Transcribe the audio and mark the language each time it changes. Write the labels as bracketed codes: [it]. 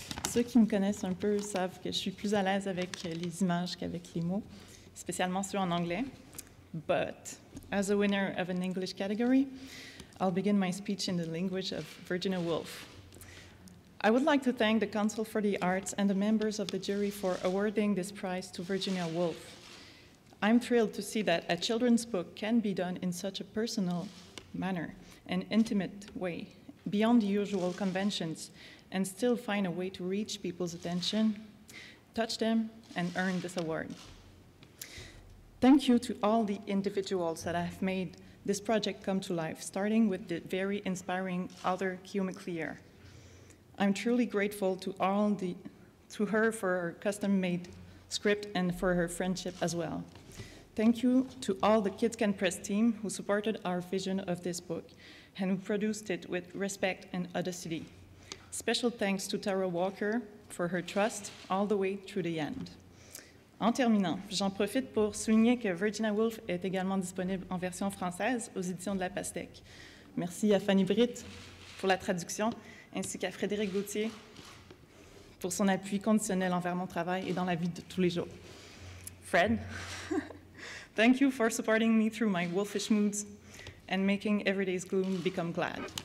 [fr] Ceux qui me connaissent un peu savent que je suis plus à l'aise avec les images qu'avec les mots, spécialement ceux en anglais. [en] But as a winner of an English category, I'll begin my speech in the language of Virginia Woolf. I would like to thank the Council for the Arts and the members of the jury for awarding this prize to Virginia Woolf. I'm thrilled to see that a children's book can be done in such a personal manner, an intimate way, beyond the usual conventions, and still find a way to reach people's attention, touch them, and earn this award. Thank you to all the individuals that have made this project come to life, starting with the very inspiring author Keo McClear. I'm truly grateful to all to her for her custom-made script and for her friendship as well. Thank you to all the Kids Can Press team who supported our vision of this book and who produced it with respect and audacity. Special thanks to Tara Walker for her trust all the way through the end. [fr] En terminant, j'en profite pour souligner que Virginia Woolf est également disponible en version française aux éditions de La Pastèque. Merci à Fanny Britt pour la traduction, ainsi qu'à Frédéric Gauthier pour son appui conditionnel envers mon travail et dans la vie de tous les jours. [en] Fred, thank you for supporting me through my wolfish moods and making everyday's gloom become glad.